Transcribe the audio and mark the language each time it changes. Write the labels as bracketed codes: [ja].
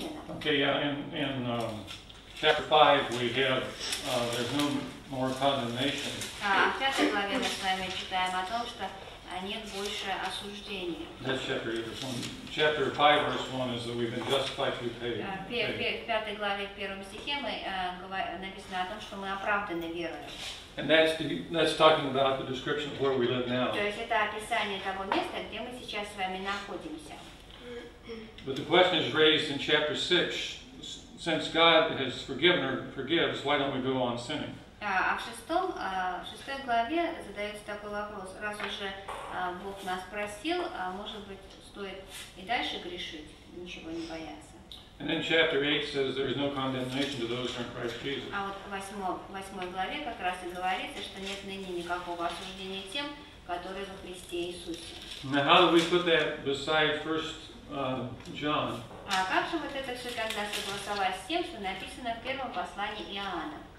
[en] Okay, yeah, in chapter 5 we have there's no more condemnation. [ru] В пятой главе мы с вами читаем о том, что а нет больше осуждения. [en] That's chapter 8, verse 1. Chapter 5, verse 1 is that we've been justified through faith. [ru] В пятой главе, в первом стихе мы написано о том, что мы оправданы верою. [en] And that's talking about the description of where we live now. [ru] То есть это описание того места, где мы сейчас с вами находимся. [en] But the question is raised in chapter 6, since God has forgiven or forgives, why don't we go on sinning? [ru] А в шестой главе задается такой вопрос: раз уже Бог нас простил, может быть, стоит и дальше грешить, ничего не бояться? [en] And then chapter 8 says there is no condemnation to those who are in Christ Jesus. [ru] А вот в восьмой главе как раз и говорится, что нет ныне никакого осуждения тем, которые во Христе Иисусе. [en] Now how do we put that beside First John? [ru] А как же вот это все тогда согласовалось с тем, что написано в первом послании Иоанна?